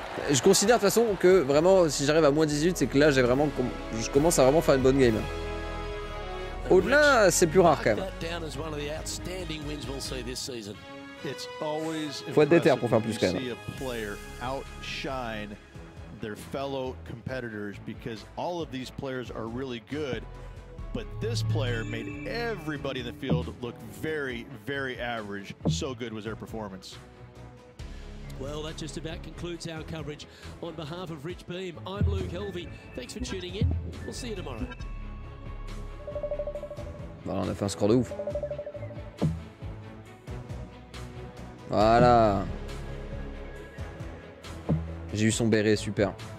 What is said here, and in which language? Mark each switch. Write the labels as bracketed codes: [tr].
[fr] Je considère de toute façon que vraiment, si j'arrive à moins 18, c'est que là, j'ai vraiment, je commence à vraiment faire une bonne game. Au-delà, c'est plus rare quand même. Faut être déter pour faire plus quand même. [en] Player outshine their fellow competitors because all of these players are really good. But this player made everybody in the field look very, very average. So good was their performance. Well, that just about concludes our coverage. On behalf of Rich Beem, I'm Luke Helvey. Thanks for tuning in. We'll see you tomorrow. [fr] Voilà, on a fait un score de ouf. Voilà. J'ai eu son béret, super.